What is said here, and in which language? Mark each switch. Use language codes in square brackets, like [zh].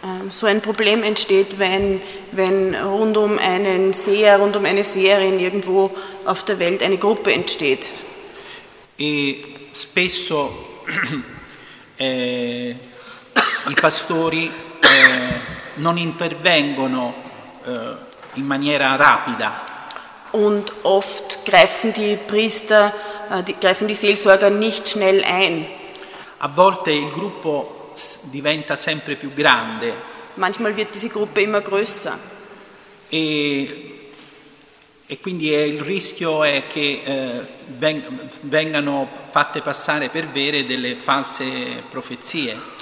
[de] So ein Problem entsteht, wenn rund um einen Seher, rund um eine Seherin irgendwo auf der Welt eine Gruppe entsteht. [it] E spesso i pastori non intervengono in maniera rapida. [de] Und oft greifen die Priester, greifen die Seelsorger nicht schnell ein. [it] A volte il gruppo diventa sempre più grande. [de] Manchmal wird diese Gruppe immer größer. [it] E quindi il rischio è che vengano fatte passare per vere delle false profezie.